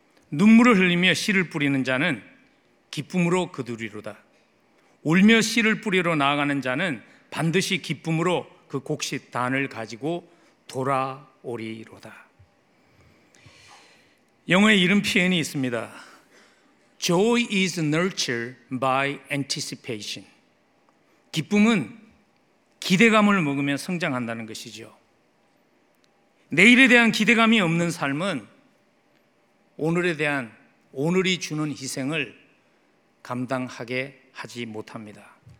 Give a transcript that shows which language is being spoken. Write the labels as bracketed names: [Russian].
[Korean] 눈물을 흘리며 씨를 뿌리는 자는 기쁨으로 거두리로다. 울며 씨를 뿌리러 나아가는 자는 반드시 기쁨으로 그 곡식 단을 가지고 돌아오리로다. 영어에 이런 표현이 있습니다. [English] Joy is nurtured by anticipation. [Korean] 기쁨은 기대감을 먹으면 성장한다는 것이죠. 내일에 대한 기대감이 없는 삶은 오늘에 대한 오늘이 주는 희생을 감당하게 하지 못합니다.